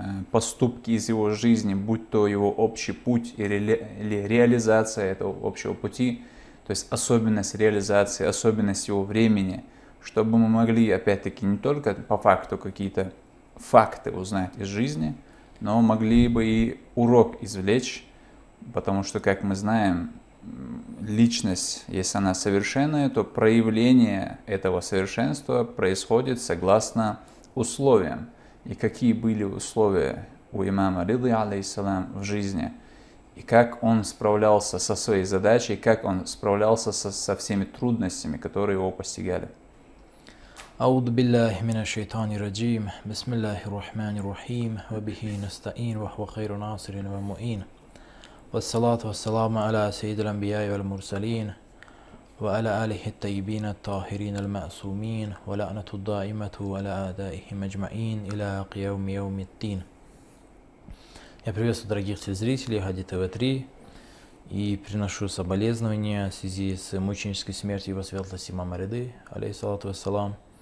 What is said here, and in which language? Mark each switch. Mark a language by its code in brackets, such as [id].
[ru] поступки из его жизни, будь то его общий путь или реализация этого общего пути, то есть особенность реализации, особенность его времени, чтобы мы могли, опять-таки, не только по факту какие-то факты узнать из жизни, но могли бы и урок извлечь, потому что, как мы знаем, личность, если она совершенная, то проявление этого совершенства происходит согласно условиям. И какие были условия у имама Риды, алейхиссалам, в жизни, и как он справлялся со своей задачей, как он справлялся со всеми трудностями, которые его постигали. [ar] أعوذ بالله من الشيطان الرجيم بسم الله الرحمن الرحيم وبه نستعين وهو خير ناصر ومؤين والصلاة والسلام على سيد الأنبياء والمرسلين وعلى آله الطيبين الطاهرين المعصومين ولعنة الدائمة على أعدائهم أجمعين إلى قيام يوم الدين. [ru] Я приветствую дорогих зрителей Хади ТВ 3 и приношу соболезнования в связи с мученической смертью его светлости имама Риды, алейхиссалату вассалам.